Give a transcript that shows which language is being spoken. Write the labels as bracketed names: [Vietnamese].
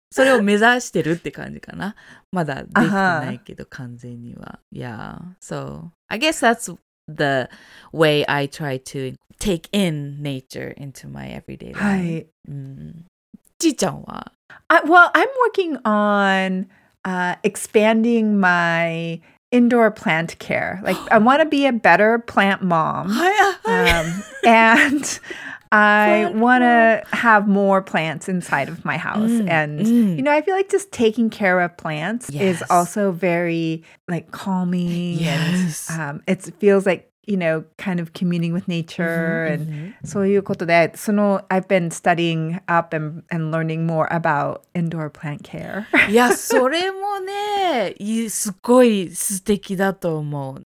[Japanese] それを目指してるって感じかな。まだできてないけど、uh-huh. 完全には。Yeah. [English] So, I guess that's the way I try to take in nature into my everyday life. [Japanese] はい。ちーちゃんは? [English] Well, I'm working on expanding my indoor plant care. Like, I want to be a better plant mom. and... I want to have more plants inside of my house. And, you know, I feel like just taking care of plants is also very, like, calming. Yes. It feels like, you know, kind of communing with nature. And [Japanese] そういうことで、その、 [English] I've been studying up and learning more about indoor plant care. [Japanese] いや、それもね、すごい素敵だと思う。